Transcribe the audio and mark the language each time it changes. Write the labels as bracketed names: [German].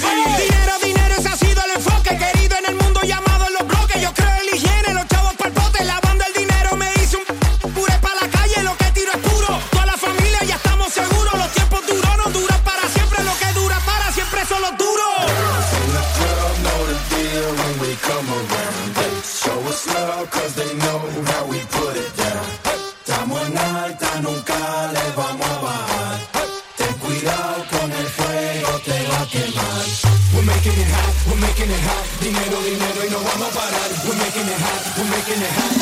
[Spanish] Hey, dinero, dinero, ese ha sido el enfoque querido en el mundo llamado en los bloques. Yo creo en la higiene, los chavos pa'l bote. Lavando el dinero me hice un puré pa' la calle. Lo que tiro es puro. Toda la familia ya estamos seguros. Los tiempos duros no duran para siempre. Lo que dura para siempre son los duros. [English] Show us love, cause they know how we put it down. [Spanish] Estamos en alta, nunca le vamos a bajar. Ten cuidado con el fuego, te va a quemar. [English] We're making it hot, we're making it hot. [Spanish] Dinero, dinero y no vamos a parar. [English] We're making it hot, we're making it hot.